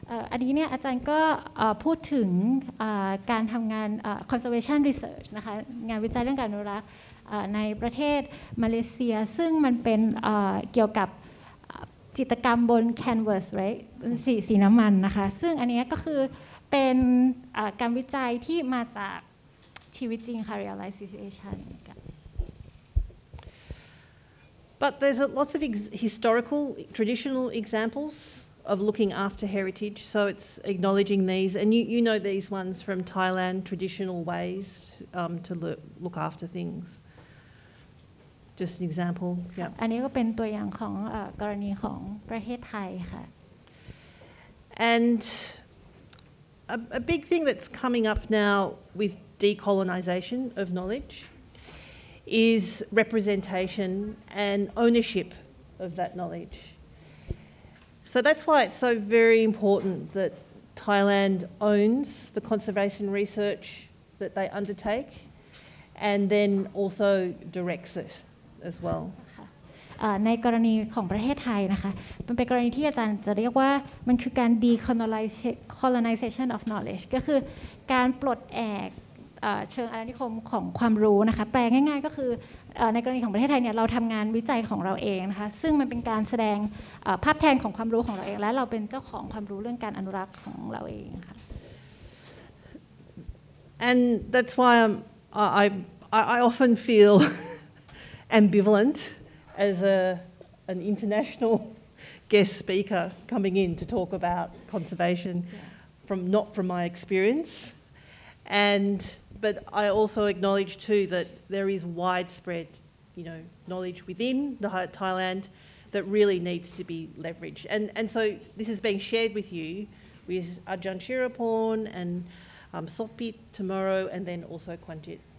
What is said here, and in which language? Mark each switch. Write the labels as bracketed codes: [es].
[th] อันนี้เนี่ยอาจารย์ก็พูดถึงการทำงาน [en] conservation research [th] นะคะงานวิจัยเรื่องการอนุรักษ์ในประเทศมาเลเซียซึ่งมันเป็นเกี่ยวกับ จิตรกรรมบนแคนวาสไรสีน้ำมันนะคะซึ่งอันนี้ก็คือเป็นการวิจัยที่มาจากชีวิตจริงค่ะ [en] real-life situation but there's lots of historical traditional examples of looking after heritage so it's acknowledging these and you know these ones from Thailand traditional ways to look after thingsJust an example. Yeah. [th] อันนี้ก็เป็นตัวอย่างของกรณีของประเทศไทยค่ะ [en] And a big thing that's coming up now with decolonization of knowledge is representation and ownership of that knowledge. So that's why it's so very important that Thailand owns the conservation research that they undertake and then also directs it. As well. [th] ในกรณีของประเทศไทยนะคะมันเป็นกรณีที่อาจารย์จะเรียกว่ามันคือการ [en] decolonization of knowledge [th] ก็คือการปลดแอกเชิงอาณานิคมของความรู้นะคะแปลง่ายๆก็คือในกรณีของประเทศไทยเนี่ยเราทำงานวิจัยของเราเองนะคะซึ่งมันเป็นการแสดงภาพแทนของความรู้ของเราเองและเราเป็นเจ้าของความรู้เรื่องการอนุรักษ์ของเราเองค่ะ [en] And that's why I often feelambivalent as an international guest speaker coming in to talk about conservation yeah. from not from my experience and but I also acknowledge too that there is widespread you know knowledge within Thailand that really needs to be leveraged and so this is being shared with you with Ajahn Chirapon and Sopit tomorrow and then also Kwantit